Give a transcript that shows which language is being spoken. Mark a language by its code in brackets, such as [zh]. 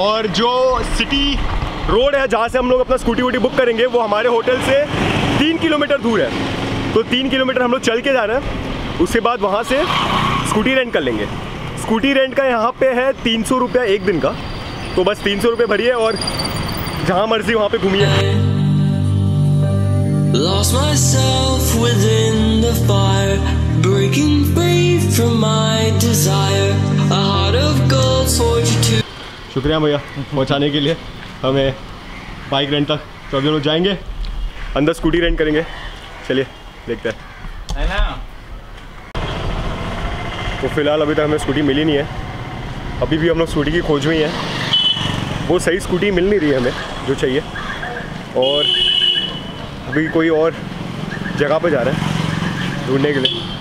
[hi] और जो city road है जहाँ से हम लोग अपना स्कूटी वूटी बुक करेंगे वो हमारे होटल से 3 किलोमीटर दूर है, तो 3 किलोमीटर हम लोग चल के जा रहे हैं, उसके बाद वहाँ से स्कूटी रेंट कर लेंगे। स्कूटी रेंट का यहाँ पे है 300 रुपया एक दिन का, तो बस 300 रुपये भरिए और जहाँ मर्जी वहाँ पे घूमिए। [en] Lost myself within the fire, breaking free from my desire, a heart of gold forged to... [hi] शुक्रिया भैया पहुँचाने के लिए हमें बाइक रेंट तक। तो अभी लोग जाएंगे अंदर स्कूटी रेंट करेंगे, चलिए देखते हैं। तो फिलहाल अभी तक हमें स्कूटी मिली नहीं है, अभी भी हम लोग स्कूटी की खोज हुई है, वो सही स्कूटी मिल नहीं रही हमें जो चाहिए और अभी कोई और जगह पे जा रहे हैं ढूंढने के लिए।